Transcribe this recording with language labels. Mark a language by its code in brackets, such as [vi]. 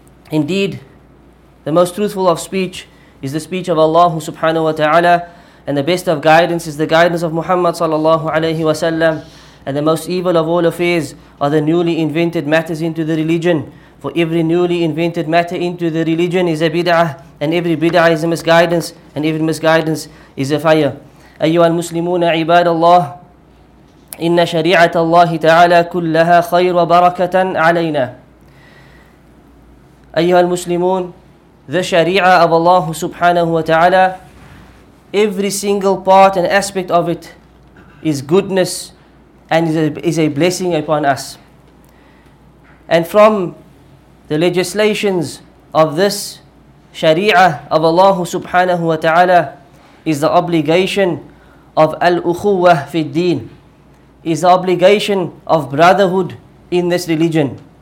[en] Indeed, the most truthful of speech is the speech of Allah subhanahu wa ta'ala, and the best of guidance is the guidance of Muhammad sallallahu alayhi wa sallam, and the most evil of all affairs are the newly invented matters into the religion. For every newly invented matter into the religion is a bid'ah, and every bid'ah is a misguidance, and every misguidance is a fire. [ar] أيها المسلمون عباد الله إن شريعة الله تعالى كلها خير وبركة علينا. أيها المسلمون, [en] the Sharia of Allah subhanahu wa ta'ala, every single part and aspect of it is goodness and is a blessing upon us. And from the legislations of this Sharia of Allah subhanahu wa ta'ala is the obligation of al-ukhuwah fi al-deen, is the obligation of brotherhood in this religion.